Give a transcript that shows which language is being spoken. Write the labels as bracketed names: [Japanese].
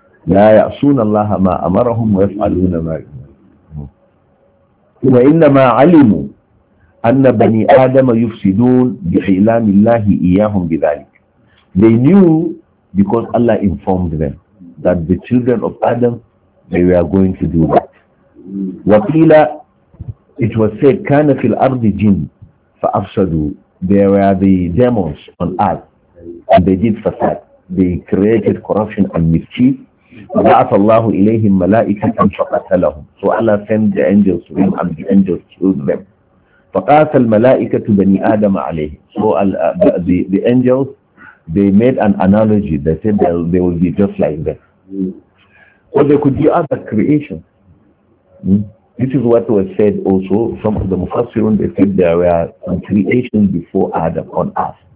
[Arabic] لا يعصون الله ما أمرهم ويفعلون ما يأمرون. وإنما علموا أن بني آدم يفسدون بحيلان الله إياهم بذلك. [English] They knew, because Allah informed them, that the children of Adam, they were going to do that. [Arabic] وقيل, [English] it was said, [Arabic] كان في الأرض جن فأفسدوا. [English] There were the demons on earth, and they did fasad. They created corruption and mischief. [Arabic] وبعث الله إليهم ملائكة فقتلهم. [English] So Allah sent the angels to them, and the angels killed them. [Arabic] فقاس الملائكة بني آدم عليه. [English] So the angels, they made an analogy. They said they will be just like them. So they could be other creations. This is what was said also. Some of the Mufassirun, they said there were some creations before Adam on earth.